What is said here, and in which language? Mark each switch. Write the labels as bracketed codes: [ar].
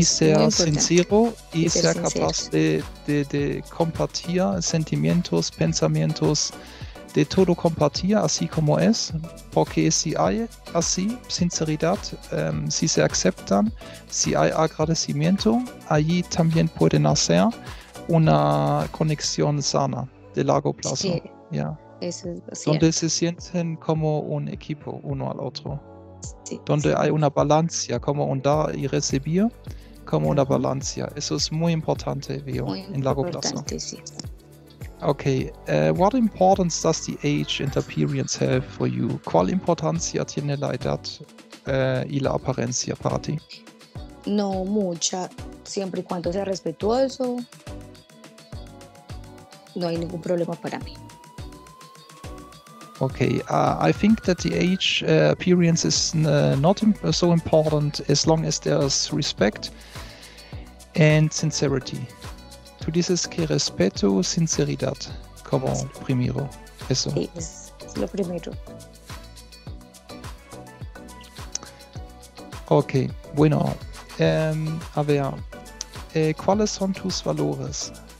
[es] y ser sincero y ser capaz de compartir sentimientos, pensamientos, de todo compartir así como es, porque si hay así sinceridad, si se aceptan, si hay agradecimiento, allí también puede nacer una conexión sana de largo plazo. Sí, ya. Eso es donde se sienten como un equipo uno al otro. Sí, donde sí. Hay una balancia, como un dar y recibir, como una balancia. Eso es muy importante, veo, en largo plazo. Sí. [en] Ok, what importance does the age and appearance have for you? [es] ¿Cuál importancia tiene la edad y la apariencia para ti? No mucha, siempre y cuando sea respetuoso, no hay ningún problema para mí. [en] Okay, I think that the age appearance is not so important as long as there is respect and sincerity. [es] Tú dices que respeto, sinceridad, como primero, eso. Sí, es lo primero. Okay, bueno, a ver, ¿cuáles son tus valores?